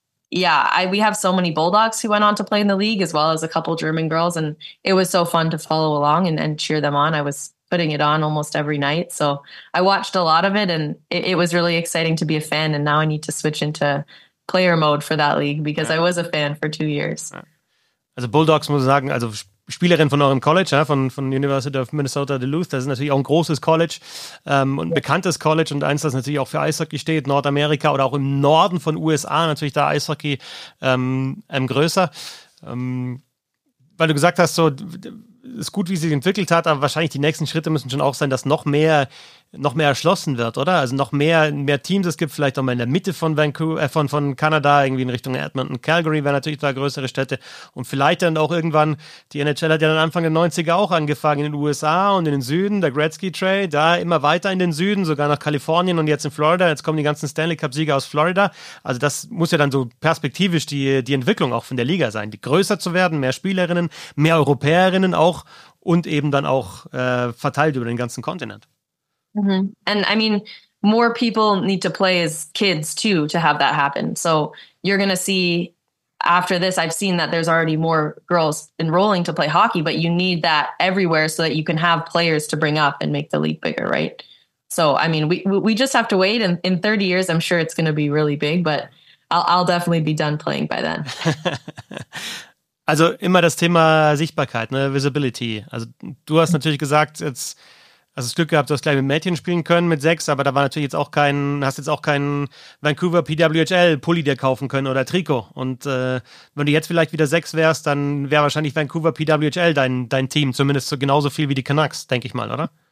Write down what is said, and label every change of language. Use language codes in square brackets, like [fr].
[en] We have so many Bulldogs who went on to play in the league, as well as a couple German girls, and it was so fun to follow along and cheer them on. I was putting it on almost every night. So I watched a lot of it and it was really exciting to be a fan. And now I need to switch into player mode for that league because I was a fan for 2 years. [de] Also Bulldogs, muss ich sagen, also Spielerin von eurem College, von University of Minnesota Duluth, das ist natürlich auch ein großes College und ein bekanntes College und eins, das natürlich auch für Eishockey steht, Nordamerika oder auch im Norden von USA, natürlich da Eishockey größer. Weil du gesagt hast, so ist gut, wie sie sich entwickelt hat, aber wahrscheinlich die nächsten Schritte müssen schon auch sein, dass noch mehr erschlossen wird, oder? Also noch mehr Teams. Es gibt vielleicht auch mal in der Mitte von Vancouver, von Kanada, irgendwie in Richtung Edmonton, Calgary wären natürlich da größere Städte. Und vielleicht dann auch irgendwann, die NHL hat ja dann Anfang der 90er auch angefangen in den USA und in den Süden, der Gretzky Trail, da immer weiter in den Süden, sogar nach Kalifornien und jetzt in Florida. Jetzt kommen die ganzen Stanley Cup-Sieger aus Florida. Also das muss ja dann so perspektivisch die Entwicklung auch von der Liga sein, die größer zu werden, mehr Spielerinnen, mehr Europäerinnen auch und eben dann auch verteilt über den ganzen Kontinent. Mm-hmm. [en] And I mean, more people need to play as kids too to have that happen. So you're going to see after this, I've seen that there's already more girls enrolling to play hockey, but you need that everywhere so that you can have players to bring up and make the league bigger, right? So, I mean, we just have to wait. And in 30 years, I'm sure it's going to be really big, but I'll definitely be done playing by then. [de] Also immer das Thema Sichtbarkeit, ne? Visibility. Also du hast natürlich gesagt, jetzt Also das Glück gehabt, du hast gleich mit Mädchen spielen können mit 6, aber da war natürlich jetzt auch kein, hast jetzt auch keinen Vancouver PWHL Pulli dir kaufen können oder Trikot. Und wenn du jetzt vielleicht wieder 6 wärst, dann wäre wahrscheinlich Vancouver PWHL dein Team, zumindest so genauso viel wie die Canucks, denke ich mal, oder?